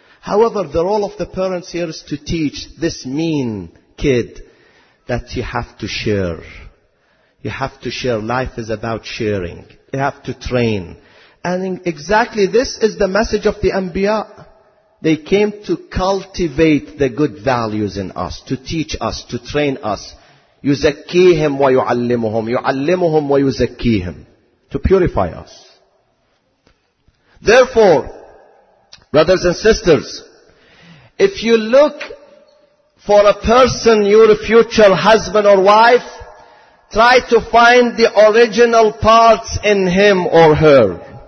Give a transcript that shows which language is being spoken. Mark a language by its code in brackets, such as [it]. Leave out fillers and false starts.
[en] However, the role of the parents here is to teach this mean kid that you have to share. You have to share. Life is about sharing. You have to train. And exactly this is the message of the Anbiya. They came to cultivate the good values in us, to teach us, to train us. [ar] يُزَكِّيهِمْ وَيُعَلِّمُهُمْ يُعَلِّمُهُمْ وَيُزَكِّيهِمْ, [en] to purify us. Therefore, brothers and sisters, if you look for a person, your future husband or wife, try to find the original parts in him or her.